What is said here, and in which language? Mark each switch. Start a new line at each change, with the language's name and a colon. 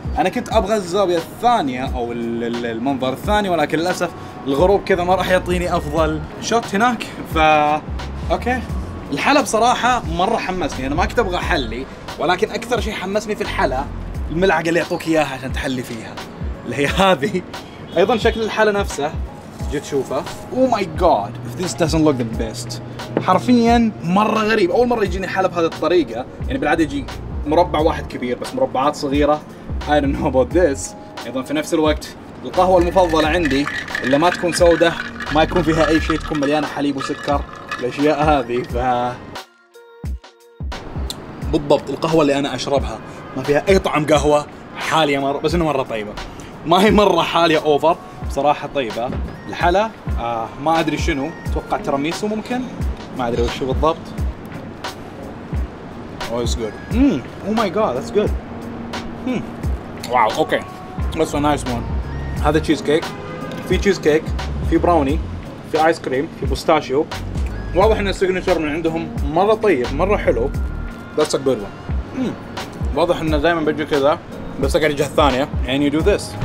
Arabic: أنا كنت أبغى الزاوية الثانية أو المنظر الثاني، ولكن للأسف الغروب كذا ما راح يعطيني أفضل شوت هناك. فا أوكي الحلا بصراحة مرة حمسني. أنا ما كنت أبغى حلي، ولكن أكثر شيء حمسني في الحلا الملعقة اللي يعطوك إياها عشان تحلي فيها اللي هي هذه. أيضا شكل الحلا نفسه جيت شوفه.
English: Oh my god if this doesn't look the best.
Arabic: حرفيا مرة غريب، أول مرة يجيني حلا بهذه الطريقة. يعني بالعادة يجي مربع واحد كبير، بس مربعات صغيرة
English: I don't know about this.
Arabic: أيضا في نفس الوقت القهوة المفضلة عندي اللي ما تكون سودة، ما يكون فيها أي شيء، تكون مليانة حليب وسكر الأشياء هذه. ف بالضبط القهوة اللي أنا أشربها ما فيها أي طعم قهوة حالية مرة، بس إنه مرة طيبة، ما هي مرة حالية أوفر بصراحة طيبة. الحلا ما أدري شنو، توقع تراميسو ممكن، ما أدري وش بالضبط.
English: Oh it's good. Oh my god that's good. Wow okay that's a nice one.
Arabic: هذا تشيز كيك، في تشيز كيك، في براوني، في آيس كريم، في بوستاشيو. واضح ان السيجنتشر من عندهم مره طيب مره حلو.
English: That's a good one.
Arabic: واضح ان دائما بيجي كذا بس قاعد الجهه الثانيه.
English: And you do this.